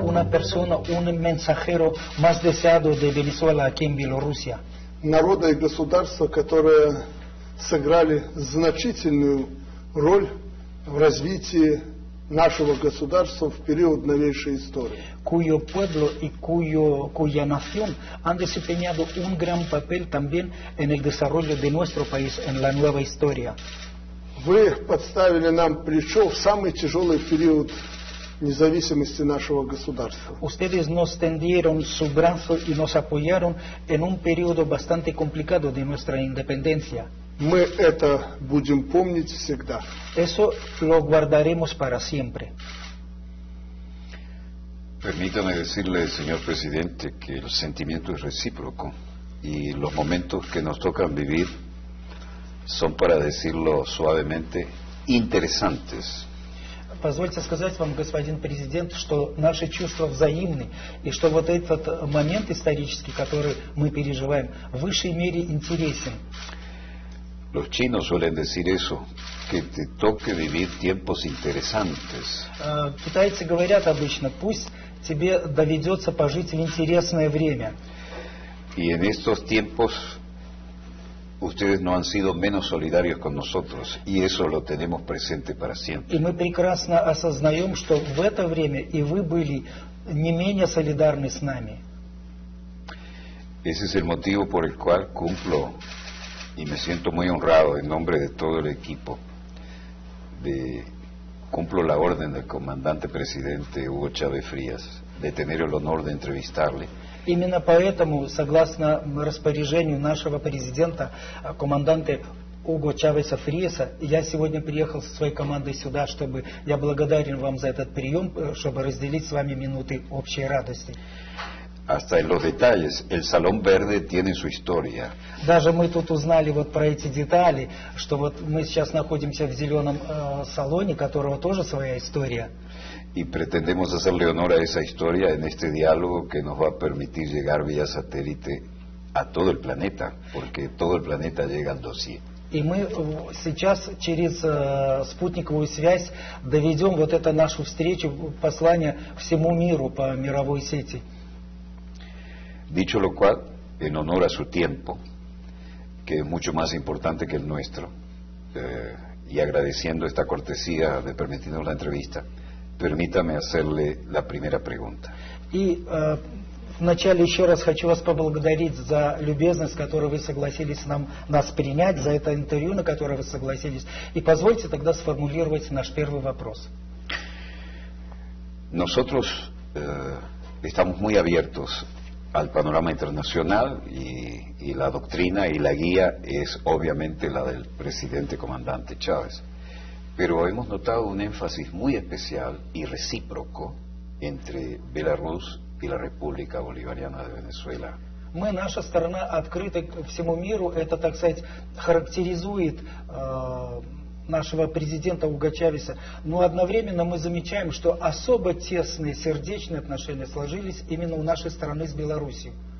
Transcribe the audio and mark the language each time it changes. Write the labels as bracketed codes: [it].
[es] persona, un mensajero más deseado de Venezuela aquí en Bielorrusia. [ru] Народное государство, которое сыграли значительную роль в развитии нашего государства в период новейшей истории. [es] Cuyo pueblo y cuya nación han desempeñado un gran papel también en el desarrollo de nuestro país en la nueva historia. [ru] Вы подставили нам плечо в самый тяжелый период независимости нашего государства. [es] Ustedes nos tendieron su brazo y nos apoyaron en un periodo bastante complicado de nuestra independencia. [ru] Мы это будем помнить всегда. [es] Eso lo guardaremos para siempre. Permítame decirle, señor presidente, que el sentimiento es recíproco y los momentos que nos tocan vivir son, para decirlo suavemente, interesantes. [ru] Позвольте сказать вам, господин президент, что наши чувства взаимны и что вот этот момент исторический, который мы переживаем, в высшей мере интересен. [es] Los chinos suelen decir eso, que te toque vivir tiempos interesantes. [ru] Китайцы говорят обычно, пусть тебе доведется пожить в интересное время. [es] Y en estos tiempos ustedes no han sido menos solidarios con nosotros, y eso lo tenemos presente para siempre. [ru] И мы прекрасно осознаем, что в это время и вы были не менее солидарны с нами. [es] Ese es el motivo por el cual cumplo y me siento muy honrado en nombre de todo el equipo de cumplo la orden del comandante presidente Hugo Chávez Frías de tener el honor de entrevistarle. [ru] Именно поэтому, согласно распоряжению нашего президента, команданта Уго Чавеса Фриеса, я сегодня приехал со своей командой сюда, чтобы я благодарен вам за этот прием, чтобы разделить с вами минуты общей радости. [es] Hasta en los detalles, el Salón Verde tiene su historia. [ru] Даже мы тут узнали вот про эти детали, что вот мы сейчас находимся в зеленом салоне, которого тоже своя история. [es] Y pretendemos hacerle honor a esa historia en este diálogo que nos va a permitir llegar vía satélite a todo el planeta, porque todo el planeta llega al dossier. [ru] И мы сейчас через спутниковую связь доведем вот эту нашу встречу, послание всему миру по мировой сети. [es] Dicho lo cual, en honor a su tiempo, que es mucho más importante que el nuestro, y agradeciendo esta cortesía de permitirnos la entrevista, permítame hacerle la primera pregunta. [ru] Y вначале еще раз хочу вас поблагодарить за любезность, которую вы согласились нас принять, за это интервью, на которое вы согласились, и позвольте тогда сформулировать наш первый вопрос. [es] Nosotros estamos muy abiertos al panorama internacional y la doctrina y la guía es obviamente la del presidente comandante Chávez. Pero hemos notado un énfasis muy especial y recíproco entre Belarus y la República Bolivariana de Venezuela. [ru] Мы, наша страна, открыта всему миру. Это, так сказать, характеризует нашего президента Уго Чавеса. Но одновременно мы замечаем, что особо тесные сердечные отношения сложились именно у нашей страны с Белоруссией.